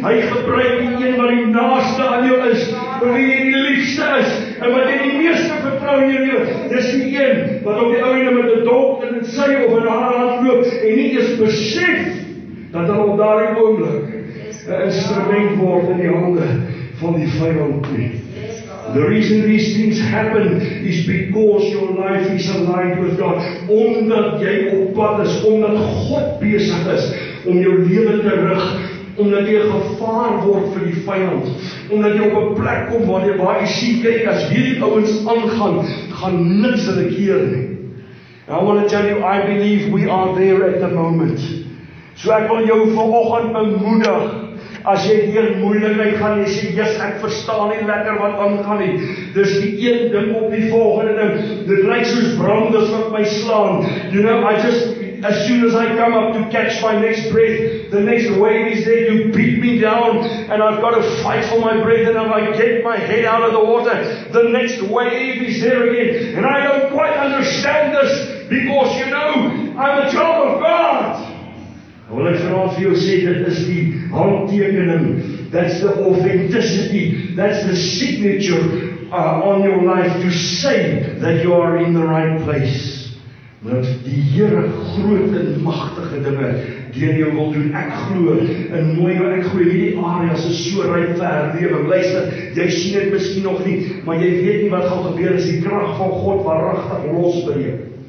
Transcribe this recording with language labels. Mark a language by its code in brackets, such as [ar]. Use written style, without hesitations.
[af] Hy gebruik die een wat die naaste aan jou is, wat jy die liefste is en wat jy die meeste vertrou in jou. Dis die een wat op die ouene met 'n dolk in sy of in haar hand loop en nie eens besef dat hulle op daardie oomblik 'n instrument word in die hande van die vyand. [en] The reason these things happen is because your life is aligned with God. [af] Omdat jy op pad is, omdat God besig is om jou lewe te rig, omdat jy 'n gevaar word vir die vyand, omdat jy op 'n plek kom waar jy baie sien kyk, as hierdie ouens aangaan, gaan niks hulle keer nie. [en] I want to tell you, I believe we are there at the moment. [af] So ek wil jou vanoggend bemoedig, as jy deur moeilikheid gaan, jy sê, Jesus, ek verstaan nie lekker wat aangaan nie. Dis die een ding op die volgende ding. Dit lyk soos brandes wat my slaan. [en] You know, I just, As soon as I come up to catch my next breath, the next wave is there. You beat me down and I've got to fight for my breath. And if I get my head out of the water, the next wave is there again. And I don't quite understand this because, you know, I'm a child of God. Well, I can offer you a say that this is the handtekening. That's the authenticity. That's the signature on your life to say that you are in the right place. [af] Dat die Here groot en magtige dinge deur jou wil doen. Ek glo in mooi jou, ek glo hierdie areas is so ryk vir lewe. Luister, jy sien dit miskien nog nie, maar jy weet nie wat gaan gebeur as die krag van God waaragtig losbreek.